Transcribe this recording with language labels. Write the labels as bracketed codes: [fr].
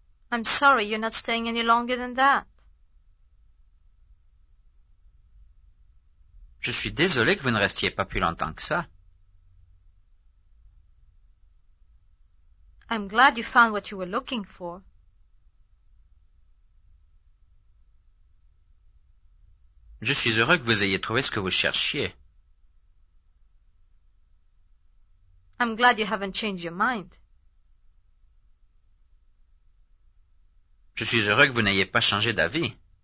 [en] I'm sorry you're not staying any longer than that. [fr] Je suis désolé que vous ne restiez pas plus longtemps que ça. [en] I'm glad you found what you were looking for. [fr] Je suis heureux que vous ayez trouvé ce que vous cherchiez. [en] I'm glad you haven't changed your mind. [fr] Je suis heureux que vous n'ayez pas changé d'avis.